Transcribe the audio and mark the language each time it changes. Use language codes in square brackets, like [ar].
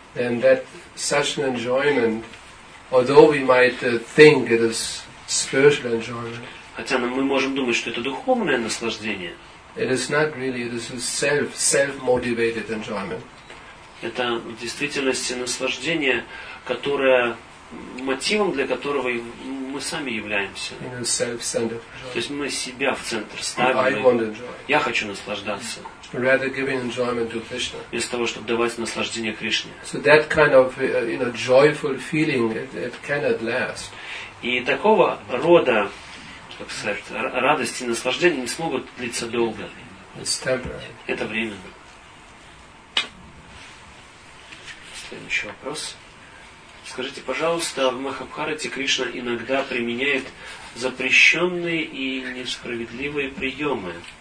[en] then that such an enjoyment, although we might think it is spiritual enjoyment, [ru] хотя мы можем думать, что это духовное наслаждение. [en] It is not really, it is self-motivated enjoyment. [ru] Это в действительности наслаждение, которое мотивом для которого мы сами являемся. [en] You know, self-centered enjoyment. [ru] То есть мы себя в центр ставим. [en] I want enjoy. [ru] Я хочу наслаждаться. [en] Rather giving enjoyment to Krishna. [ru] Вместо того, чтобы давать наслаждение Кришне. [en] So that kind of you know joyful feeling it cannot last. [ru] И такого рода, как сказать, радость и наслаждение не смогут длиться долго. [en] It's temporary. [ru] Это временно. следующий вопрос. Скажите, пожалуйста, в Махабхарате Кришна иногда применяет запрещенные и несправедливые приемы.